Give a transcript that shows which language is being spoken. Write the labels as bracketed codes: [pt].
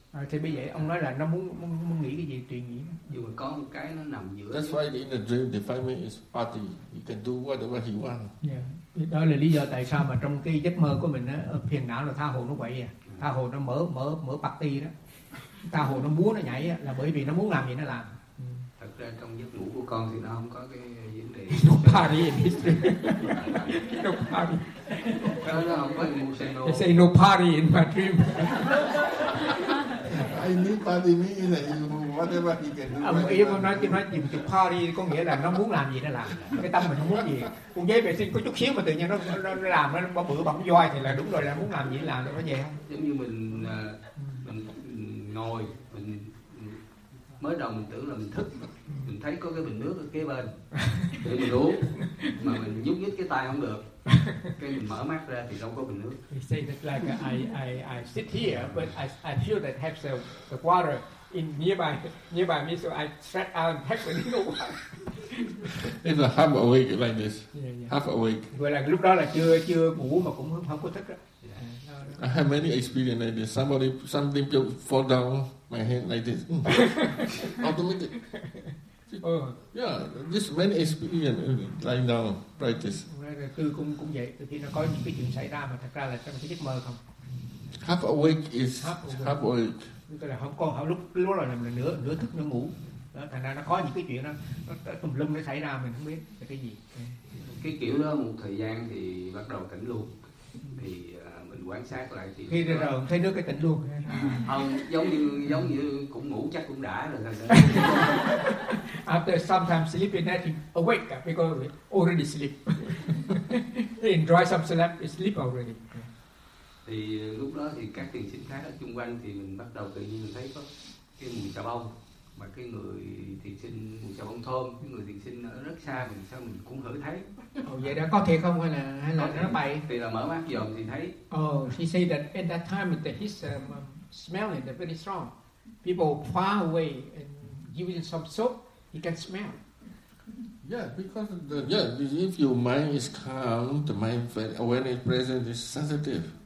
[vi] Thì bây giờ ông nói là nó muốn nghĩ cái gì, truyền nghĩ. Dù mà có một cái nó nằm giữa. [en] That's why in the dream, the 5 minutes is party. He can do whatever he want. Yeah. [vi] Đó là lý do tại sao mà trong cái giấc mơ của mình á, phiền não là tha hồ nó quậy à. Tha hồ nó mở party đó. Tha hồ nó múa nó nhảy á, là bởi vì nó muốn làm gì nó làm. Thật ra trong giấc ngủ của con thì nó không có cái vấn đề. [en] No party in my dream. I need party means whatever he can do. [vi] Ông ý ông nói chứ nói chuyện party có nghĩa là nó muốn làm gì nó làm. Cái tâm mình không muốn gì. Cũng giấy vệ sinh có chút xíu mà tự nhiên nó làm nó bự bằng voi thì là đúng rồi, là muốn làm gì làm được, có vậy không? Giống như mình ngồi, mình mới đầu mình tưởng là mình thức, mình thấy có cái bình nước ở kế bên để mình uống, mà mình nhúc nhích cái tay không được. Cái mình mở mắt ra thì đâu có bình nước. [en] He said that like I sit here, but I feel that have the water in nearby me, so I stretch out and have a little water. It's a half awake like this. Yeah. Half awake. [vi] Vậy là lúc đó là chưa ngủ mà cũng không có thức. [en] I have many experience like this. Something just fall down my hand like this. Automatic. Yeah, this many experience lying down, practice. [vi] Cũng vậy. Từ khi nó có những cái chuyện xảy ra mà thật ra là trong cái giấc mơ không. [en] Half awake is half awake. [vi] Tức là không còn, lúc đó là nửa thức nửa ngủ. Đó, thành ra nó có những cái chuyện đó, nó tùm lum nó xảy ra mình không biết là cái gì. Cái kiểu đó một thời gian thì bắt đầu tỉnh luôn. Thì quan sát lại thì khi rồi không thấy nước cái tỉnh luôn. Không, giống như cũng ngủ chắc cũng đã rồi. [en] After some time sleeping, then you awake because we already sleep. Enjoy some sleep, you sleep already. [vi] Thì lúc đó thì các tiền sinh khác ở xung quanh thì mình bắt đầu tự nhiên mình thấy có cái mùi xà bông, mà cái người thiền sinh mùi xà bông thơm, cái người thiền sinh ở rất xa mình sao mình cũng hửi thấy. Ồ, vậy đó có thiệt không hay là nó bậy? Thì là mở mắt dòm thì thấy. [en] Oh, he said that at that time that his smelling is very strong. People far away and giving some soap, he can smell. Yeah, because if your mind is calm, the mind awareness present is sensitive.